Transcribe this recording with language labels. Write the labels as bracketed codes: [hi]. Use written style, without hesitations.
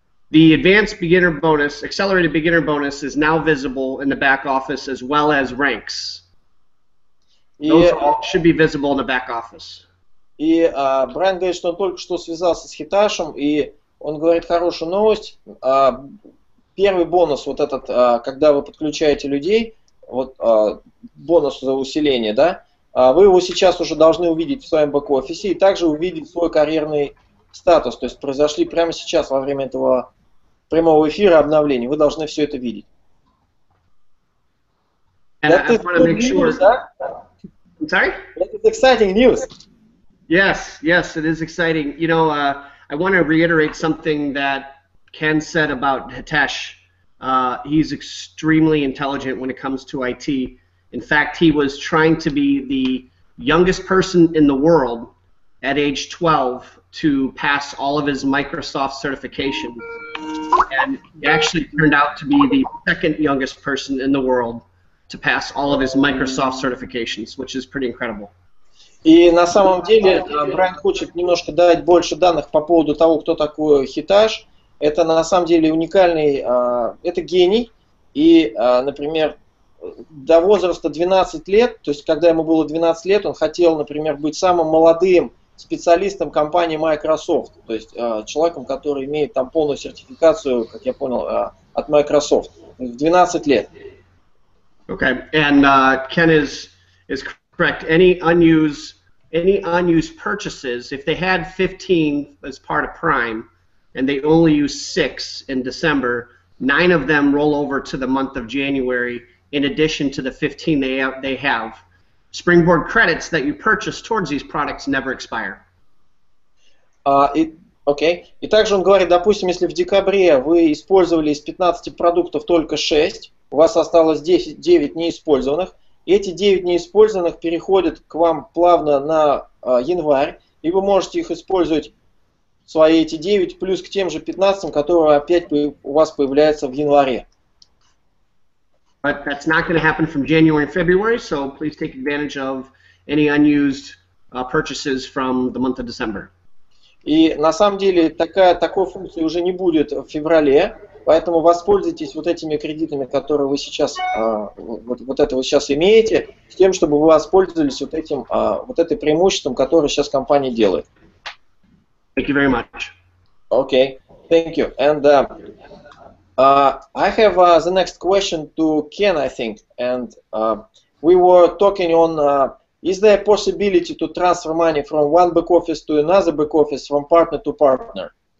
[en] The advanced beginner bonus, accelerated beginner bonus, is now visible in the back office as well as ranks. Those should be visible in the back office. [ru] И Брайан говорит, что он только что связался с Hitesh'ом, и он говорит хорошую новость. Первый бонус, вот этот, когда вы подключаете людей, вот бонус за усиление, да, вы его сейчас уже должны увидеть в своем бэк-офисе и также увидеть свой карьерный статус. То есть произошли прямо сейчас во время этого прямого эфира обновления. Вы должны все это видеть. [en] That is good news, sure. Huh? I'm sorry? That is exciting news. Yes, yes, it is exciting. You know, I want to reiterate something that Ken said about Hitesh. He's extremely intelligent when it comes to IT. In fact, he was trying to be the youngest person in the world at age 12 to pass all of his Microsoft certifications. And he actually turned out to be the second youngest person in the world to pass all of his Microsoft certifications, which is pretty incredible. [ru] И на самом деле, Брайан хочет немножко дать больше данных по поводу того, кто такой Hitesh. Это на самом деле уникальный, это гений. И, например, до возраста 12 лет, то есть когда ему было 12 лет, он хотел, например, быть самым молодым специалистом компании Microsoft, то есть человеком, который имеет там полную сертификацию, как я понял, от Microsoft, в 12 лет. [en] Okay, and Ken is correct. Any unused purchases, if they had 15 as part of Prime, and they only use 6 in December, 9 of them roll over to the month of January in addition to the 15 they have. Springboard credits that you purchase towards these products never expire. Okay. [ru] И также он говорит, допустим, если в декабре вы использовали из 15 продуктов только 6, у вас осталось 10, 9 неиспользованных, Эти 9 неиспользованных переходят к вам плавно на январь, и вы можете их использовать, свои эти 9, плюс к тем же 15, которые опять у вас появляются в январе. [en] But that's not going to happen from January and February, so please take advantage of any unused purchases from the month of December. [ru] И на самом деле такой функции уже не будет в феврале, поэтому воспользуйтесь вот этими кредитами, которые вы сейчас сейчас имеете, с тем, чтобы вы воспользовались вот этим этим преимуществом, которое сейчас компания делает. [en] Thank you very much. Okay, thank you. And I have the next question to Ken, I think, and we were talking on. Is there a possibility to transfer money from one back office to another back office, from partner to partner?